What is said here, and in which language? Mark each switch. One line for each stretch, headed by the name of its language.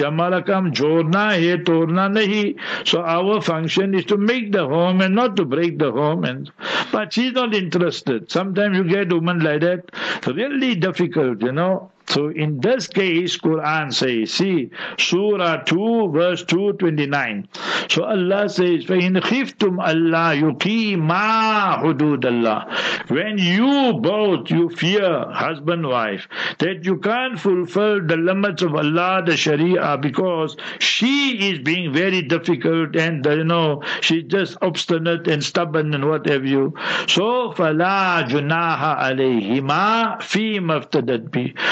Hindi: Amalakam jorna he torna nahi.
English: So our function is to make the home and not to break the home. But she's not interested. Sometimes you get women like that, really difficult, you know. So in this case, Quran says, see, Surah 2, verse 229. So Allah says,
Arabic: فَإِنْ خِفْتُمْ أَلَّا يُقِيمَا حُدُودَ اللَّهِ.
English: When you both, you fear, husband, wife, that you can't fulfill the limits of Allah, the Sharia, because she is being very difficult and, you know, she's just obstinate and stubborn and what have you. So
Arabic: فَلَا جُنَاهَ عَلَيْهِمَا فِي مَفْتَدَتْ بِي.